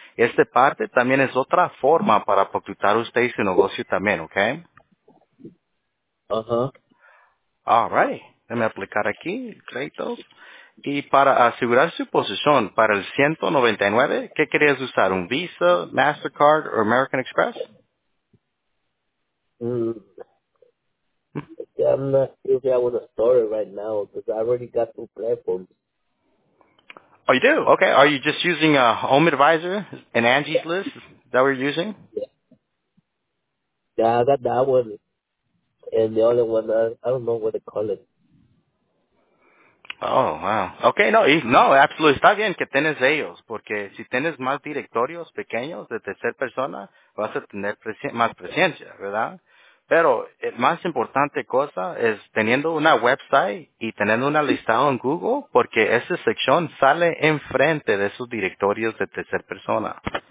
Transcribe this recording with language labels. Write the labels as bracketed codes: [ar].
[es] Esta parte también es otra forma para facturar usted y su negocio también, ¿ok? Uh-huh. [en] All right. [es] Déjame aplicar aquí, crédito. Y para asegurar su posición para el 199, ¿qué querías usar? ¿Un Visa, MasterCard o American Express? [en] I'm not sure if I want to start it right now because I already got some platforms. Oh, you do? Okay. Are you just using a Home Advisor and Angie's List? Is that what you're using? Yeah. Yeah, I got that one. And the other one, I don't know what to call it. Oh, wow. Okay, no, absolutely. [es] Está bien que tienes ellos, porque si tienes más directorios pequeños de tercera persona, vas a tener más presencia, ¿verdad? Pero el más importante cosa es teniendo una website y teniendo una listado en Google, porque esa sección sale enfrente de esos directorios de tercera persona.